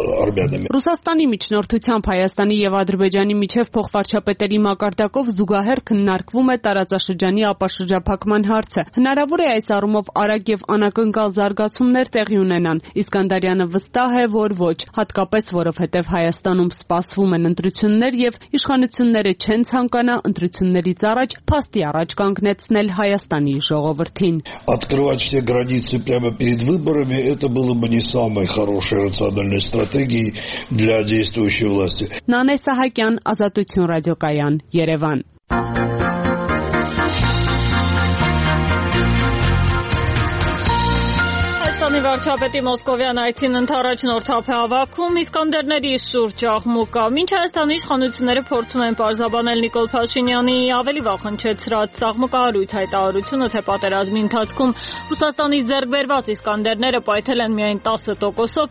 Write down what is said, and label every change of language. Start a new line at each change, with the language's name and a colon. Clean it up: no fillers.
Armenian: Ռուսաստանի միջնորդությամբ Հայաստանի և Ադրբեջանի միջև փոխվարչապետերի մակարդակով զուգահեռ քննարկվում է տարածաշրջանի ապաշրջափակման հարցը։ Հնարավոր է այս առումով արագ և անակնկալ զարգացումներ տեղի ունենան։ Իսկանդարյանը վստահ է, որ ոչ, հատկապես որովհետև Հայաստանում սպասվում են ընտրություններ և իշխանությունները չեն ցանկանա ընտրություններից առաջ փաստի առաջ կանգնեցնել Հայաստանի ժողովրդին։
Russian: Открывать все границы прямо перед выборами это было бы не самой хорошей рациональной стратегией для действующей власти։
Armenian: Նանե Սահակյան, Ազատություն ռադիոկայան, Երևան։ Հայաստանի վարչապետի Մոսկովյան այցին ընդառաջ նորթապ է ավակում, Իսկանդերների շուրջ աղմուկա։ Մինչ Հայաստանի իշխանությունները փորձում են պարզաբանել Նիկոլ Փաշինյանի ավելի վախնչեցրած աղմուկահարույց հայտարարությունը, թե պատերազմի ընթացքում Ռուսաստանից ձեռք բերված Իսկանդերները պայթել են միայն 10%-ով։